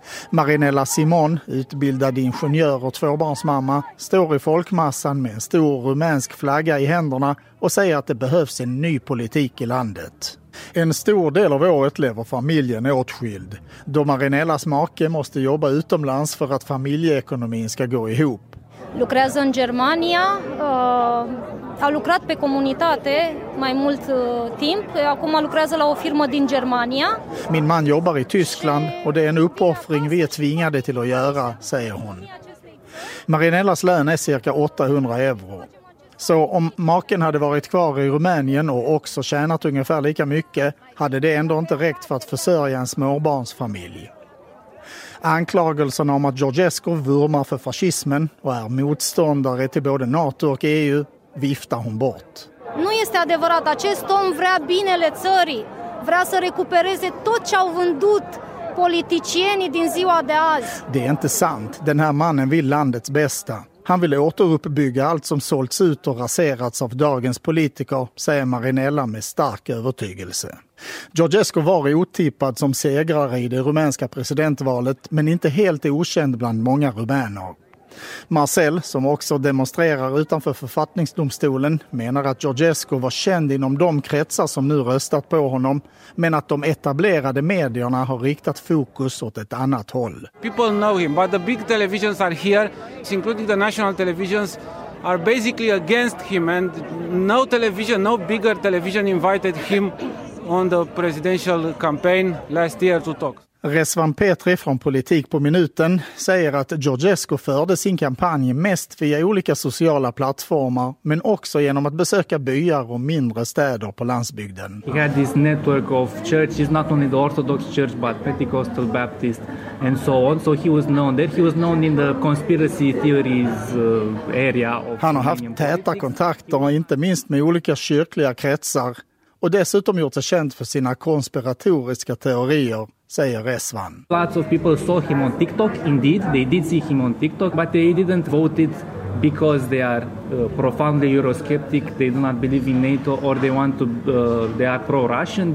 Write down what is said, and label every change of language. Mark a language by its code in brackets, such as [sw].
[sv] Marinella Simon, utbildad ingenjör och tvåbarnsmamma, står i folkmassan med en stor rumänsk flagga i händerna och säger att det behövs en ny politik i landet. En stor del av året lever familjen åtskild, då Marinellas make måste jobba utomlands för att familjeekonomin ska gå ihop. [ro] Lucrează în Germania, a lucrat pe comunitate mai mult timp, acum lucrează la o firmă din Germania. [sv] Min man jobbar i Tyskland och det är en uppoffring vi är tvingade till att göra, säger hon. Marinellas lön är cirka 800 euro. Så om maken hade varit kvar i Rumänien och också tjänat ungefär lika mycket hade det ändå inte räckt för att försörja en småbarnsfamilj. Anklagelsen om att Georgescu vurmar för fascismen och är motståndare till både NATO och EU viftar hon bort. [ro] Nu este adevărat, acest om vrea binele țării, vrea să recupereze tot ce au vândut politicienii din ziua de azi. [sv] Det är inte sant. Den här mannen vill landets bästa. Han vill återuppbygga allt som sålts ut och raserats av dagens politiker, säger Marinella med stark övertygelse. Georgescu var otippad som segrare i det rumänska presidentvalet, men inte helt okänd bland många rumäner. Marcel, som också demonstrerar utanför författningsdomstolen, menar att Georgescu var känd inom de kretsar som nu röstat på honom, men att de etablerade medierna har riktat fokus åt ett annat håll. [en] People know him, but the big televisions are here, including the national televisions, are basically against him, and no television, no bigger television invited him on the presidential campaign last year to talk. [sv] Rezvan Petri från Politik på minuten säger att Georgescu förde sin kampanj mest via olika sociala plattformar, men också genom att besöka byar och mindre städer på landsbygden. [en] He had this network of churches, not only the Orthodox Church but Pentecostal Baptist and so on. So he was known there. He was known in the conspiracy theories area. [sv] Han har haft täta kontakter, inte minst med olika kyrkliga kretsar, och dessutom gjort sig känd för sina konspiratoriska teorier, säger Rezvan. [en] Lots of people saw him on TikTok, indeed. They did see him on TikTok, but they didn't vote it because they are profoundly Eurosceptic. They do not believe in NATO or they want to, they are pro-Russian.